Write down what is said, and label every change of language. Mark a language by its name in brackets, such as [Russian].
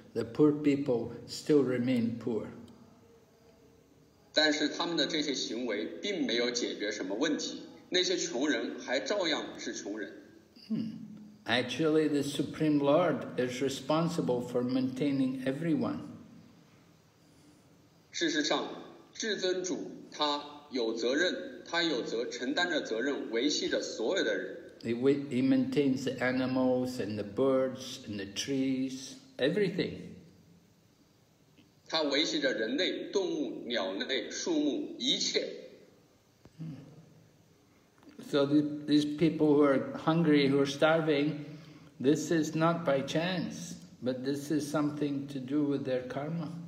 [English] The poor people still remain poor. [Chinese] 但是他们的这些行为并没有解决什么问题，那些穷人还照样是穷人。 [English] Actually, the Supreme Lord is responsible for maintaining everyone. [Chinese] 事实上，至尊主他有责任，他有责承担着责任，维系着所有的人。 [English] He maintains the animals and the birds and the trees, everything. [Chinese] 他维系着人类、动物、鸟类、树木，一切。 [English] So these people who are hungry, who are starving, this is not by chance, but this is something to do with their karma.